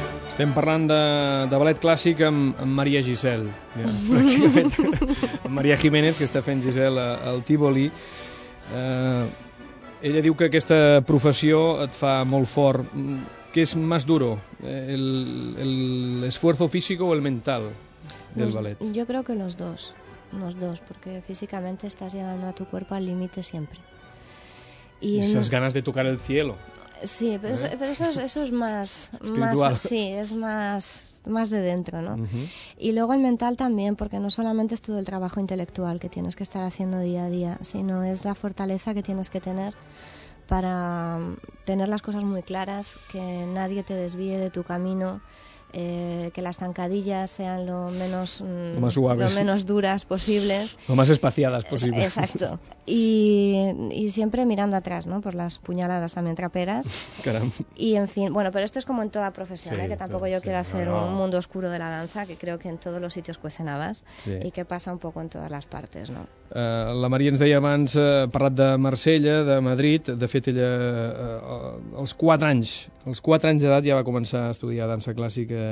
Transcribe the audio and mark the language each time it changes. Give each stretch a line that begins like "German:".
Catalan: Estem parlant de ballet clàssic amb Maria Giselle, ja, amb Maria Jiménez, que està fent Giselle al Tívoli. Ella diu que aquesta professió et fa molt fort.
Spanish: ¿Qué es más duro, el esfuerzo físico o el mental del ballet? Yo creo que los dos, porque físicamente estás llevando a tu cuerpo al límite siempre. Y esas ganas de tocar el cielo. Sí, pero eso es más espiritual. Más, sí, es más de dentro, ¿no? Y luego el mental también, porque no solamente es todo el trabajo intelectual que tienes que estar haciendo día a día, sino es la fortaleza que tienes que tener para tener las cosas muy claras, que nadie te desvíe de tu camino, que las zancadillas sean lo menos suaves, lo menos duras posibles, lo más espaciadas posibles. Exacto. Y siempre mirando atrás, ¿no? Por las puñaladas también traperas. Caramba. Y en fin, bueno, pero esto es como en toda profesión, sí, ¿eh? Que tampoco sí, yo sí, quiero hacer un mundo oscuro de la danza, que creo que en todos los sitios cuecen habas, sí. Y que pasa un poco en todas las partes, ¿no?
Catalan: La Maria ens deia abans, ha parlat de Marsella, de Madrid, de fet ella als 4 anys d'edat ja va començar a estudiar dansa clàssica